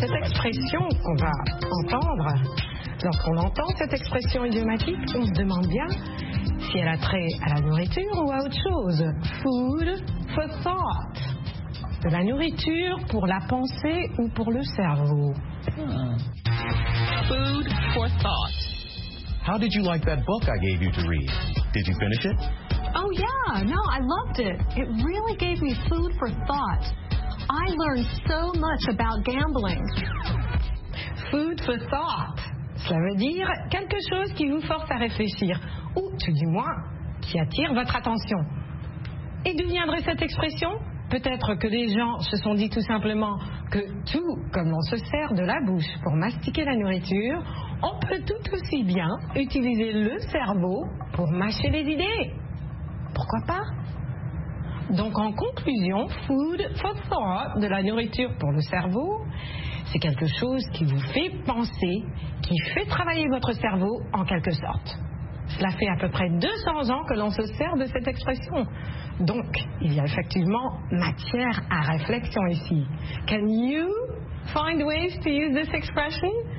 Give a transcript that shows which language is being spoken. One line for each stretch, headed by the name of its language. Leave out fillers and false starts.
French: Cette expression qu'on va entendre, lorsqu'on entend cette expression idiomatique, on se demande bien si elle a trait à la nourriture ou à autre chose.
English: Food for thought.
French: De la nourriture pour la pensée ou pour le cerveau.
English: Food for thought. How did you like that book I gave you to read? Did you finish it? Oh yeah, no, I loved it. It really gave me food for thought. I learned so much about gambling. Food for thought.
French: Cela veut dire quelque chose qui vous force à réfléchir, ou tout du moins, qui attire votre attention. Et d'où viendrait cette expression? Peut-être que les gens se sont dit tout simplement que tout comme on se sert de la bouche pour mastiquer la nourriture, on peut tout aussi bien utiliser le cerveau pour mâcher les idées. Pourquoi pas? Donc en conclusion,
English: food for thought,
French: de la nourriture pour le cerveau, c'est quelque chose qui vous fait penser, qui fait travailler votre cerveau en quelque sorte. Cela fait à peu près 200 ans que l'on se sert de cette expression. Donc, il y a effectivement matière à réflexion ici.
English: Can you find ways to use this expression?